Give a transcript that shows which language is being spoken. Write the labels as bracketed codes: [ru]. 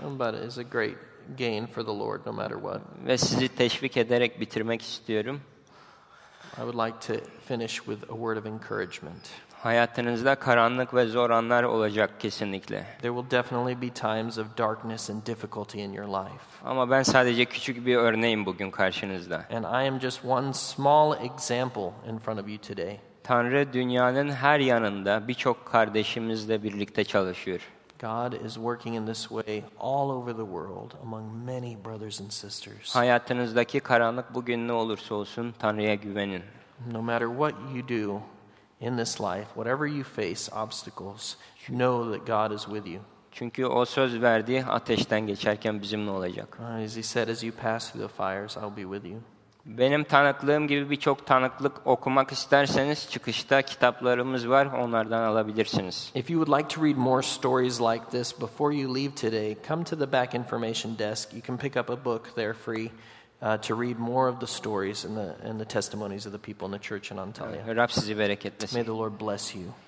[en] But it is a great gain for the Lord no matter what. [tr] Ve sizi teşvik ederek bitirmek istiyorum. [en] I would like to finish with a word of encouragement. [tr] Hayatınızda karanlık ve zor anlar olacak kesinlikle. [en] There will definitely be times of darkness and difficulty in your life. [tr] Ama ben sadece küçük bir örneğim bugün karşınızda. [en] And I am just one small example in front of you today. [tr] Tanrı dünyanın her yanında birçok kardeşimizle birlikte çalışıyor. [en] God is working in this way all over the world among many brothers and sisters. [tr] Hayatınızdaki karanlık bugün ne olursa olsun Tanrı'ya güvenin. [en] No matter what you do in this life, whatever you face obstacles, know that God is with you. [tr] Çünkü o söz verdi, ateşten geçerken bizimle olacak. [en] As he said, as you pass through the fires, I'll be with you. [tr] Benim tanıklığım gibi birçok tanıklık okumak isterseniz çıkışta kitaplarımız var, onlardan alabilirsiniz. [en] If you would like to read more stories like this before you leave today, come to the back information desk. You can pick up a book there free to read more of the stories and the testimonies of the people in the church in Antalya. [tr] Rab sizi bereketlesin. [en] May the Lord bless you.